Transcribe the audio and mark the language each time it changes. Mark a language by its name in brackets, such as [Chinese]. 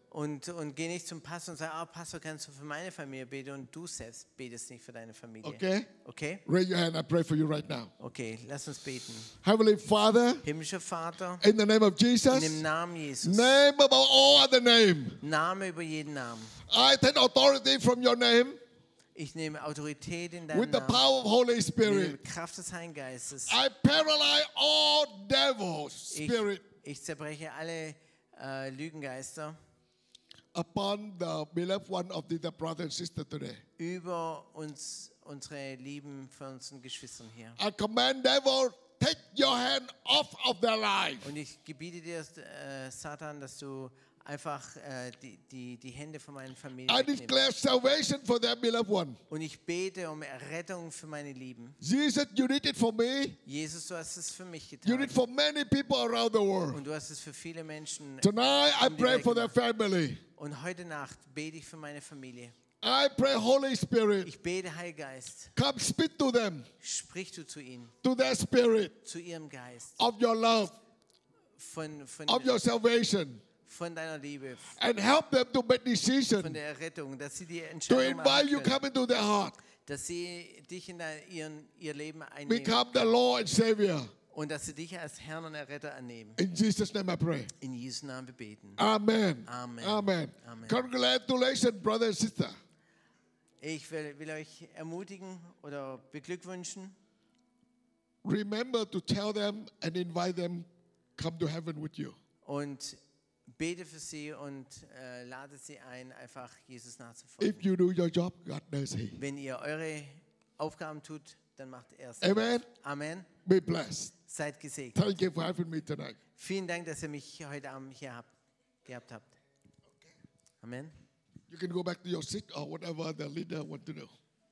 [German] Und geh nicht zum Pastor und sag, oh, Pastor, kannst du für meine Familie beten? Und du selbst betest nicht für deine Familie. Okay. Okay. [English] Raise your hand. I pray for you right now. [German] Okay. Lass uns beten. [English] Heavenly Father. [German] Himmlischer Vater. [English] In the name of Jesus. [German] Im Namen Jesus. [English] Name above all other name. [German] Name über jeden Namen. [English] I take authority from your name. [German] Ich nehme Autorität in deinem Namen. [English] With the power of Holy Spirit. [German] Mit Kraft des Heiligen Geistes. [English] I paralyze all devils, spirit. [German] Ich zerbreche alle Lügengeister. [English] Upon the beloved one of the brother and sister today. [German] Über uns, unsere lieben Fürsten Geschwistern hier. [English] I command devil, take your hand off of their life. [German] Und ich gebiete dir, Satan, dass du einfach die Hände von meinen Familien. [English] I declare salvation for their beloved one. [German] Und ich bete um Errettung für meine Lieben. [English] Jesus, you did it for me. [German] Jesus, du hast es für mich getan. [English] You did it for many people around the world. [German] Und du hast es für viele Menschen. [English] Tonight I pray for their family. [German] Und heute Nacht bete ich für meine Familie. [English] I pray Holy Spirit. [German] Ich bete Heiliger Geist. [English] Come speak to them. [German] Sprich du zu ihnen. [English] To their spirit. [German] Zu ihrem Geist. [English] Of your love. [German] Von [English] of your salvation. [German] Von deiner Liebe. [English] And help them to make decisions. [German] Von der Errettung, dass sie die Entscheidung machen. [English] To invite you come into their heart. [German] Dass sie dich in ihr Leben einnehmen. [English] Become the Lord and Savior. [German] Und dass sie dich als Herrn und Erretter annehmen. [English] In Jesus' name I pray. [German] In Jesu Namen wir beten. Amen. Amen. Amen. Amen. [English] Congratulations, brother and sister. [German] Ich will euch ermutigen oder beglückwünschen. [English] Remember to tell them and invite them come to heaven with you. [German] Und bete für sie und lade sie ein, einfach Jesus nachzufolgen. [English] If you do your job, God knows he. [German] Wenn ihr eure Aufgaben tut, dann macht er es. Amen. Amen. [English] Be blessed. [German] Seid gesegnet. [English] Thank you for having me tonight. [German] Vielen Dank, dass ihr mich heute Abend hier gehabt habt. Okay. Amen. [English] You can go back to your seat or whatever the leader wants to do.